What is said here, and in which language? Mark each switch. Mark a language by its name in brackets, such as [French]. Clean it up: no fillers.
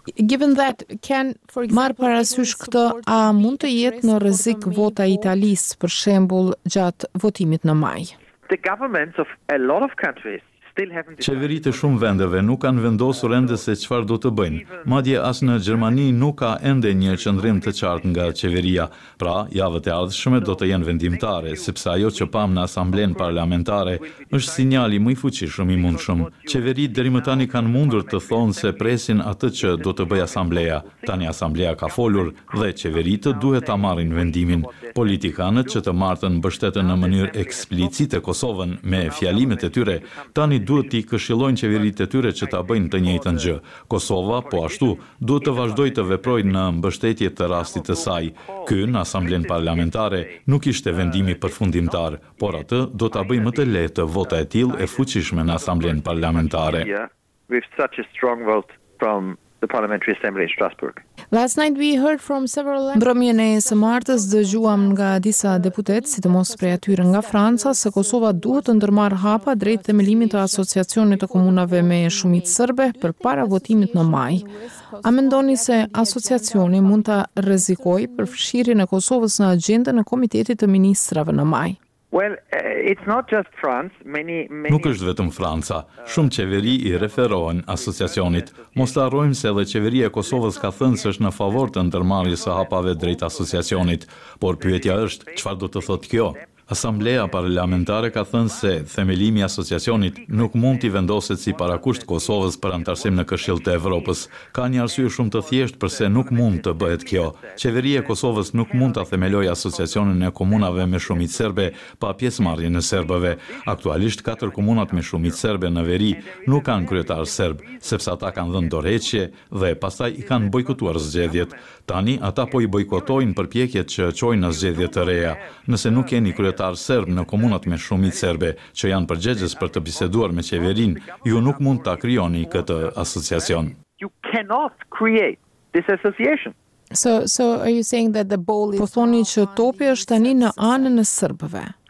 [English] Given that, can for example, [Albanian] marë parasysh këtë, a mund të jetë në rrezik vota Italisë për shembull gjatë votimit në maj? [English] The governments of a lot of countries [Albanian] Qeveritë e shumë vendeve nuk kanë vendosur ende se çfarë do të bëjnë. Madje as në Gjermani nuk ka ende një qëndrim të qartë nga qeveria. Pra, javët e ardhshme do të jenë vendimtare, sepse ajo që pam në asamblenë parlamentare është sinjali më i fuqishëm i mundshëm. Qeveritë deri më tani kanë mundur të thonë se presin atë që do të bëjë asambleja. Tani asambleja ka folur dhe qeveritë duhet ta marrin vendimin. Politikanët që të martën mbështetën në mënyrë eksplicite Kosovën me fjalimet e tyre, tani duhet t'i këshillojnë qeveritë e tyre që ta bëjnë të njëjtën gjë. Kosova, po ashtu, duhet të vazhdojë të veprojë në mbështetje të rastit të saj. Ky në asamblenë parlamentare nuk ishte vendimi përfundimtar, por atë do ta bëjë më të lehtë vota e tillë e fuqishme në asamblenë parlamentare. [English] With such a strong vote from the Parliamentary Assembly in Strasbourg. Last night we heard from several. [Albanian] Mbrëmjen e së martës dëgjuam nga disa deputet, si të mos prej atyre nga Franca, se Kosova duhet të ndërmarë hapa drejt themelimit të asociacionit të komunave me shumicë serbe për para votimit në maj. A mendoni se asociacioni mund të rrezikojë përfshirjen e Kosovës në agjendën e Komitetit të Ministrave në maj? [English] Well, it's not just France, many [Albanian] Nuk është vetëm Franca. Shumë qeveri i referohen asociacionit. Mos të harrojmë se edhe qeveria e Kosovës ka thënë se është në favor të ndërmarrjes së hapave drejt asociacionit, por pyetja është çfarë do të thotë kjo? Asambleja parlamentare ka thënë se themelimi i asociacionit nuk mund t'i vendoset si parakusht Kosovës për antarësim në Këshill të Evropës. Ka një arsye shumë të thjeshtë përse nuk mund të bëhet kjo. Qeveria e Kosovës nuk mund ta themelojë asociacionin e komunave me shumicë serbe pa pjesëmarrjen e serbëve. Aktualisht 4 komunat me shumicë serbe në veri nuk kanë kryetar serb, sepse ata kanë dhënë dorëheqje dhe pastaj i kanë bojkotuar zgjedhjet. Tani ata po i bojkotojnë përpjekjet që çojnë në zgjedhje të reja. Nëse nuk keni kryetar serb në komunat me shumicë serbe që janë përgjegjës për të biseduar me qeverin, ju nuk mund ta krijoni këtë asociacion. [English] You cannot create this association. So are you saying that the ball is [Albanian] Po thoni që topi është tani në anën e serbëve.